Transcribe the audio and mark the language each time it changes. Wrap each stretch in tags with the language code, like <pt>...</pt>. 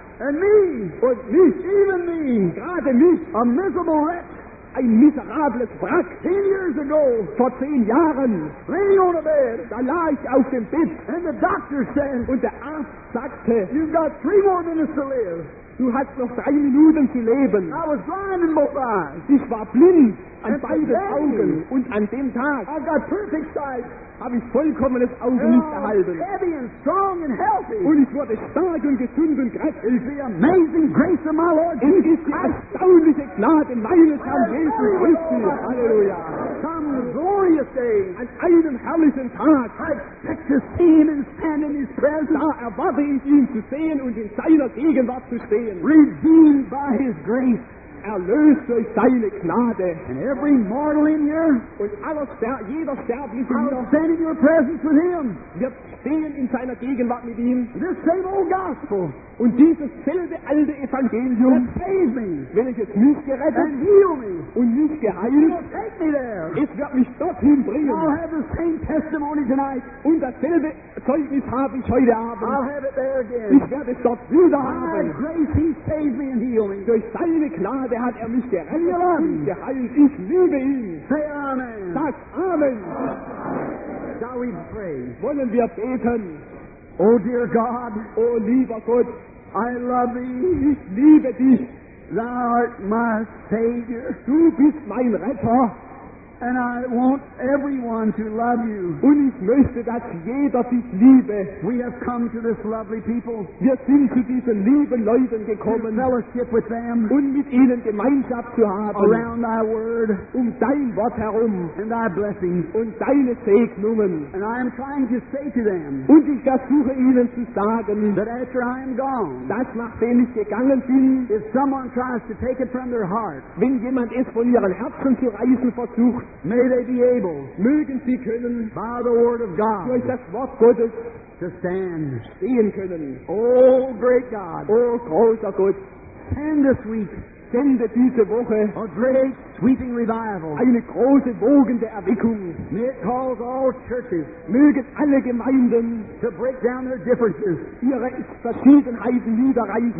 <en>And me.</en> <de>Und mich.</de> <en>Even me.</en> <de>Gerade mich.</de> <en>A miserable wretch.</en> <de>Ein miserables Wrack.</de> <en>10 years ago.</en> <de>Vor 10 Jahren.</de> <en>Laying on a bed.</en> <de>Da lag ich auf dem Bett.</de> <en>And the doctor said.</en> <de>Und der Arzt sagte.</de> <en>You've got 3 more minutes to live.</en> <de>Du hast noch 3 Minuten zu leben.</de> <en>I was blind in both eyes.</en> <de>Ich war blind an beiden Augen. Und an dem Tag</de> <en>I've got perfect sight.</en> <de>Habe ich vollkommenes Augenlicht erhalten.</de> <en>Heavy and strong and healthy.</en> <de>Und ich wurde stark und gesund und kräftig.</de> <en>It's the amazing grace of my Lord Jesus Christ.</en> <de>Es ist die erstaunliche Gnade meines Herrn Jesus Christus.</de> <en>Halleluja. Come glorious day.</en> <de>an einen herrlichen Tag.</de> <en>I expect to see him and stand in his presence.</en> <de>Da erwarte ich ihn zu sehen und in seiner Gegenwart zu stehen.</de> <en>Redeemed by his grace.</en> <de>Erlöst durch seine Gnade.</de> <en>And every mortal in here,</en> <de>und jeder Sterbliche hier,</de> <en>I'll stand in your presence with him.</en> <de>Wir stehen in seiner Gegenwart mit ihm.</de> <en>This same old gospel.</en> <de>Und dieses selbe alte Evangelium, welches mich gerettet und mich geheilt, es wird mich dorthin bringen.</de> <en>I'll have the same testimony tonight.</en> <de>Und dasselbe Zeugnis habe ich heute Abend.</de> <en>I'll have it there again.</en> <de>Ich werde es dort wieder haben.</de> <en>By grace he saved me and healed me.</en> <de>Durch seine Gnade hat mich gerettet und geheilt. Ich liebe ihn.</de> <en>Say Amen.</en> <de>Sag Amen.</de> <en>Shall we pray?</en> <de>Wollen wir beten?</de> <en>Oh dear God,</en> <de>oh lieber Gott,</de> <en>I love thee,</en> <de>ich liebe dich.</de> <en>Thou art my Savior,</en> <de>du bist mein Retter,</de> <en>and I want everyone to love you.</en> <de>Und ich möchte, dass jeder dich liebe.</de> <en>We have come to this lovely people.</en> <de>Wir sind zu diesen lieben Leuten gekommen.</de> <en>To fellowship with them.</en> <de>Und mit ihnen Gemeinschaft zu haben.</de> <en>Around thy word.</en> <de>Um dein Wort herum.</de> <en>And thy blessings.</en> <de>Und deine Segnungen.</de> <en>And I am trying to say to them.</en> <de>Und ich versuche ihnen zu sagen.</de> <en>That after I am gone.</en> <de>Dass nachdem ich gegangen bin.</de> <en>If someone tries to take it from their heart.</en> <de>Wenn jemand es von ihren Herzen zu reißen versucht.</de> <en>May they be able,</en> <de>mögen sie können,</de> <en>by the word of God,</en> <de>durch das Wort Gottes,</de> <en>to stand,</en> <de>stehen können.</de> <en>Oh, great God,</en> <de>oh, großer Gott,</de> <en>send this week,</en> <de>sende diese Woche,</de> <en>a great sweeping revival,</en> <de>eine große wogende Erweckung.</de> <en>May it cause all churches,</en> <de>mögen alle Gemeinden,</de> <en>to break down their differences,</en> <de>ihre Verschiedenheiten niederreißen.</de>